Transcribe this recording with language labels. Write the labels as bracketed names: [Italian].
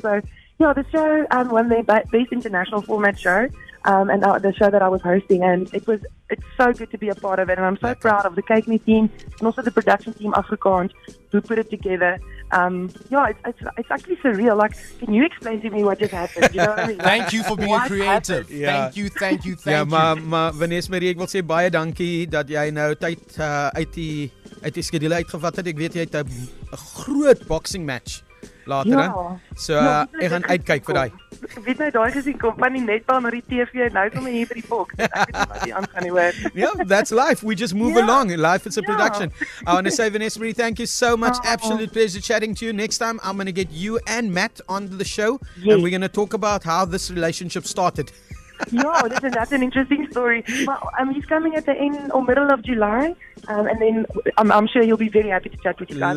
[English] So, yeah, the show won the Best International Format Show, and the show that I was hosting, and it's so good to be a part of it, and I'm so proud of the Cake Me team and also the production team Afrikaans who put it together. It's actually surreal. Like, can you explain to me what just happened? You know what I mean? Thank you for being creative. Yeah. Thank you. [Afrikaans] Vanessa Marie, ek wil sê baie dankie dat jy nou tyd uit die skedule uitgevat het. Ek weet jy het 'n groot boxing match later. Ja. So ek gaan uitkyk vir daai. Weet nou, daar is die company netbal naar die TV en nou kom hier vir die box. Ek weet nie wat die aangaan nie. [English] Yeah, that's life. We just move along. Life is a production. I want to say, Vanessa Marie, thank you so much. Absolute pleasure chatting to you. Next time, I'm going to get you and Matt onto the show. Yes. And we're going to talk about how this relationship started. Listen, that's an interesting story. Well, he's coming at the end or middle of July. And then I'm sure you'll be very happy to chat with you guys.